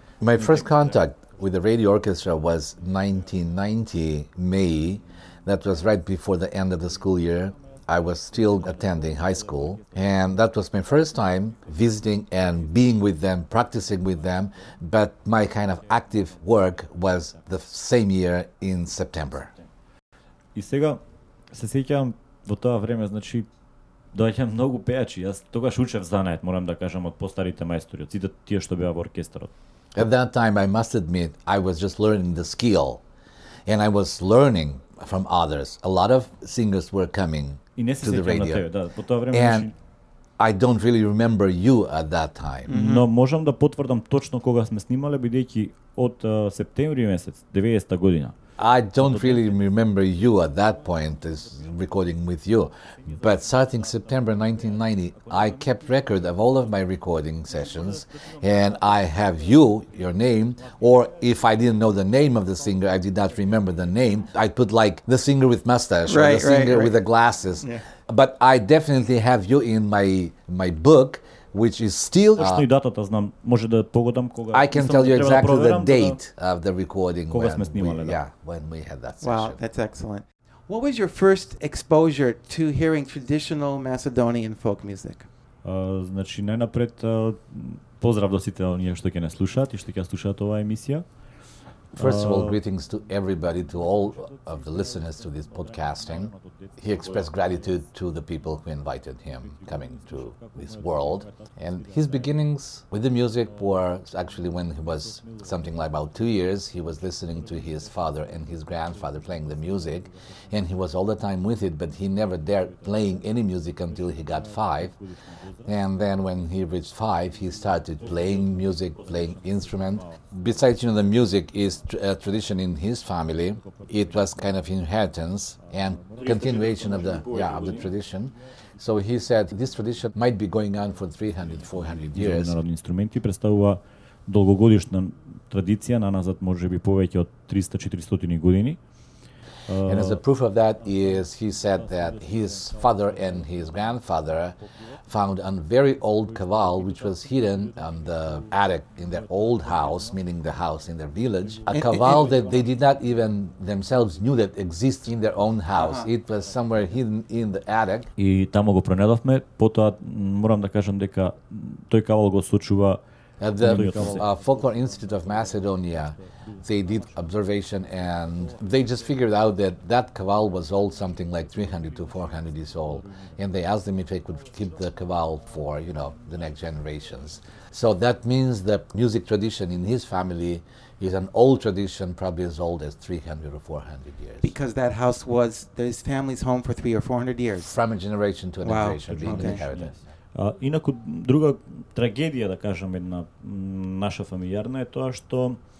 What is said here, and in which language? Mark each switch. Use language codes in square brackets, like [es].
[en] My first contact with the radio orchestra was 1990 May, that was right before the end of the school year. I was still attending high school, and that was my first time visiting and being with them, practicing with them, but my kind of active work was the same year in September. [mk] И сега се сеќавам во тоа време, значи доаѓаа многу пејачи. Јас тогаш учев занает, морам да кажам, од постарите мајстори, од сите тие што беа во оркестрот. [en] At that time I must admit I was just learning the skill and I was learning from others. A lot of singers were coming to the radio. [mk] Во тоа време [en] and I don't really remember you at that time. [mk] Но можам да потврдам точно кога сме снимале, бидејќи од септември месец 90-та година. [en] I don't really remember you at that point as recording with you, but starting September 1990, I kept record of all of my recording sessions, and I have you, your name, or if I didn't know the name of the singer, I did not remember the name, I put like the singer with mustache, right, or the singer right. with the glasses, yeah. But I definitely have you in my book, which is still [mk] точно и датата знам, може да погодам кога. [en] I can tell you exactly the date of the recording [mk] кога сме снимале, [en] да. Yeah, when we had that session. Wow, that's excellent. What was your first exposure to hearing traditional Macedonian folk music? [mk] Значи најнапред поздрав до сите оние што ќе не слушаат и што ќе слушаат оваа емисија. [en] First of all, greetings to everybody, to all of the listeners to this podcasting. He expressed gratitude to the people who invited him coming to this world. And his beginnings with the music were actually when he was something like about 2 years, he was listening to his father and his grandfather playing the music. And he was all the time with it, but he never dared playing any music until he got 5. And then when he reached 5, he started playing music, playing instrument. Besides, you know, the music is a tradition in his family. It was kind of inheritance and continuation of the tradition. So he said this tradition might be going on for 300, 400 years. [mk] Народни инструменти представува долгогодишна традиција, на назад може би повеќе од 300-400 години. [en] And as a proof of that is he said that his father and his grandfather found a very old kaval which was hidden in the attic in their old house, meaning the house in their village. A kaval that they did not even themselves knew that exists in their own house. It was somewhere hidden in the attic. [mk] И таму го пронедовме, потоа морам да кажам дека тој кавал го сочува. [en] At the Folklore Institute of Macedonia, they did observation and they just figured out that that kaval was old, something like 300 to 400 years old. And they asked them if they could keep the kaval for, you know, the next generations. So that means the music tradition in his family is an old tradition, probably as old as 300 or 400 years. Because that house was his family's home for 300 or 400 years. From a generation to another generation, wow. being okay. inherited. [mk] Инаку друга трагедија да кажам една наша фамилијарна е тоа што